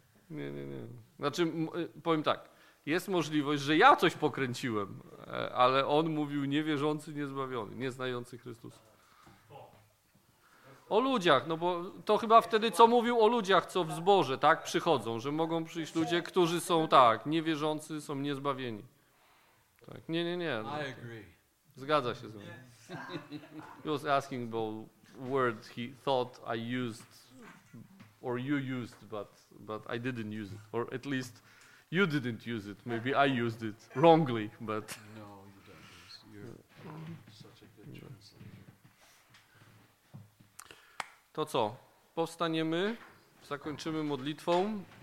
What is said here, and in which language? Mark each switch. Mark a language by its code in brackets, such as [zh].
[pl] Nie. Znaczy, powiem tak. Jest możliwość, że ja coś pokręciłem, ale on mówił niewierzący niezbawiony, nieznający Chrystusa. Powiedz O ludziach, no bo to chyba wtedy, co mówił o ludziach, co w zborze, tak, przychodzą, że mogą przyjść ludzie, którzy są tak, niewierzący, są niezbawieni. Tak, nie, nie, nie. [en] I agree. [pl] Zgadza się z mną. [en] He was asking about word he thought I used or you used, but I didn't use it. Or at least you didn't use it. Maybe I used it wrongly, but... No, you don't. You're such a good translator. [pl] To co? Powstaniemy, zakończymy modlitwą.